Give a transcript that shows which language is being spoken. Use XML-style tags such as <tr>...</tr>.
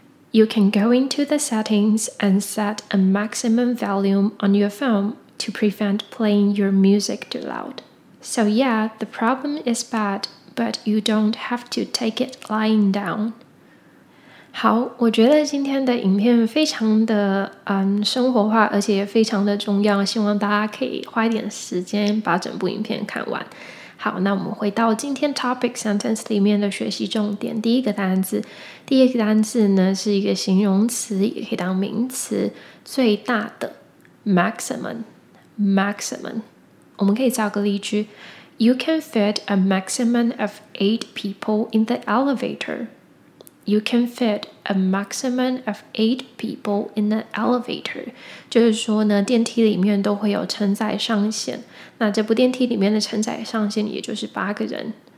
<en>You can go into the settings and set a maximum volume on your phone to prevent playing your music too loud. So yeah, the problem is bad, but you don't have to take it lying down.</en> <zh>好，我觉得今天的影片非常的生活化，而且也非常的重要，希望大家可以花一点时间把整部影片看完。好，那我们回到今天 topic sentence 里面的学习重点。第一个单字，第一个单字呢是一个形容词，也可以当名词，最大的 maximum。我们可以造个例句 ：</zh> <en>You can fit a maximum of 8 people in the elevator. You can fit a maximum of 8 people in the elevator.</en> <zh>就是说呢，电梯里面都会有承载上限。那这部电梯里面的承载上限也就是八个人。</zh>